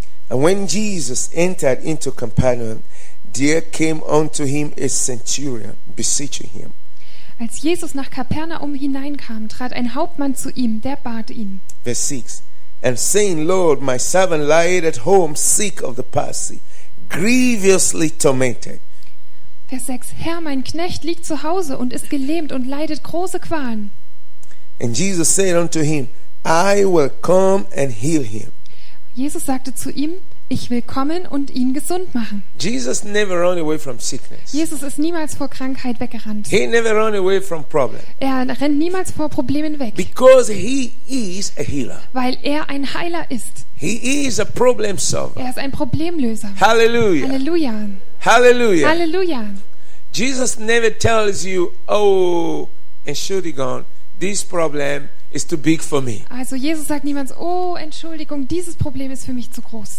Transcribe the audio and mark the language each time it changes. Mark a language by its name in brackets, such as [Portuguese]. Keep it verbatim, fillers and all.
[English] And when Jesus entered into Capernaum, there came unto him a centurion beseeching him, [German] Als Jesus nach Kapernaum hineinkam, trat ein Hauptmann zu ihm, der bat ihn. [English] Verse six. And saying, "Lord, my servant lieth at home, sick of the passage, grievously tormented." [German] Vers sechs. Herr, mein Knecht liegt zu Hause und ist gelähmt und leidet große Qualen. [English] And Jesus said unto him, "I will come and heal him." [German] Jesus sagte zu ihm, Ich willkommen und ihn gesund machen. [English] Jesus never run away from sickness. [German] Jesus ist niemals vor Krankheit weggerannt. [English] He never run away from problem. [German] Er rennt niemals vor Problemen weg. [English] Because he is a healer. [German] Weil er ein Heiler ist. [English] He is a problem solver. [German] Er ist ein Problemlöser. [English] Hallelujah. [German] Halleluja. [English] Hallelujah. [German] Halleluja. [English] Jesus never tells you, "Oh, and surely gone, this problem is too big for me. [German] Also Jesus sagt niemals, oh, Entschuldigung, dieses Problem ist für mich zu groß.